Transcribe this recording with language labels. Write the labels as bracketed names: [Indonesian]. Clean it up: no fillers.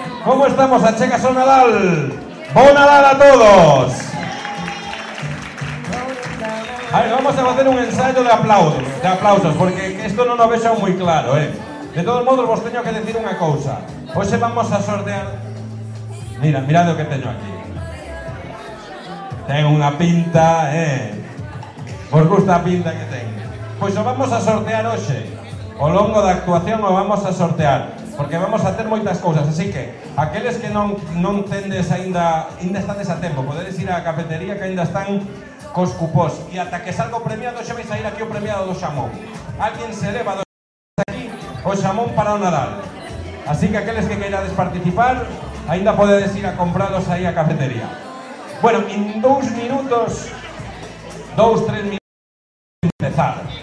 [Galician] ¿Cómo estamos, achegas ao Nadal? ¡Bon Nadal a todos! [Spanish] A ver, vamos a hacer un ensayo de aplausos, porque esto no lo veo muy claro, ¿eh? De todos modos, [Galician] vos teño que decir [Spanish] una cosa. Hoy se vamos a sortear... Mira, mirad lo que [Galician] teño aquí. [Spanish] Tengo una pinta, ¿eh? ¿Os gusta la pinta que tengo? Pues lo vamos a sortear hoy. [Galician] O longo de actuación [Spanish] lo vamos a sortear. [Galician] Porque vamos a hacer moitas cousas, así que aqueles que non tendes aínda estades a tempo, podedes ir á cafetería que aínda están cos cupós. E ata que salga o premiado, xa vais a ir aquí o premiado do xamón. Alguien se leva do aquí o xamón para o Nadal. Así que aqueles que queirades participar, aínda podedes ir a comprados aí á cafetería. Bueno, en dous, tres minutos vamos a empezar.